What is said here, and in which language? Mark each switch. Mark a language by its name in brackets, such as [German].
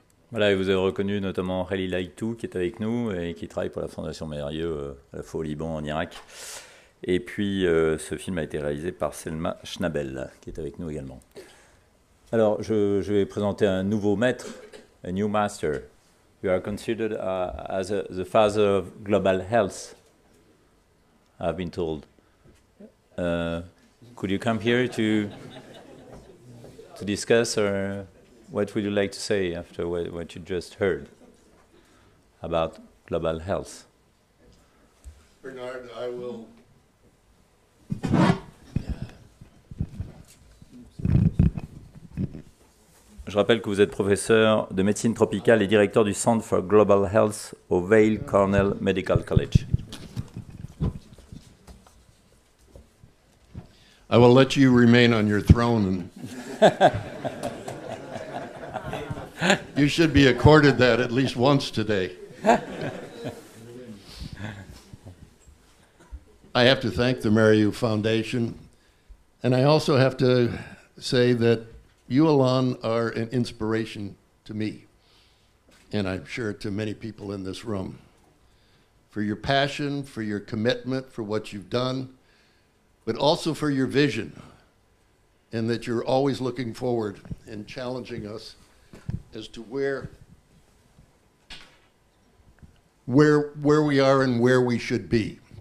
[French] Voilà, et vous avez reconnu notamment Khalil Aitou qui est avec nous et qui travaille pour la Fondation Mérieux à la fois au Liban, en Irak. Et puis, ce film a été réalisé par Selma Schnabel, qui est avec nous également. Alors, je vais présenter un nouveau maître, [English] a new master. You are considered as the father of global health, I've been told. Could you come here to discuss or... What would you like to say after what you just heard about global health? Bernard, I will... [French] Je rappelle que vous êtes professeur de médecine tropicale et directeur du Centre for Global Health au Weill Cornell Medical College. [English] I will let you remain on your throne and... You should be accorded that at least once today. I have to thank the Mérieux Foundation, and I also have to say that you, Alain, are an inspiration to me, and I'm sure to many people in this room, for your passion, for your commitment, for what you've done, but also for your vision, and that you're always looking forward and challenging us as to where we are and where we should be.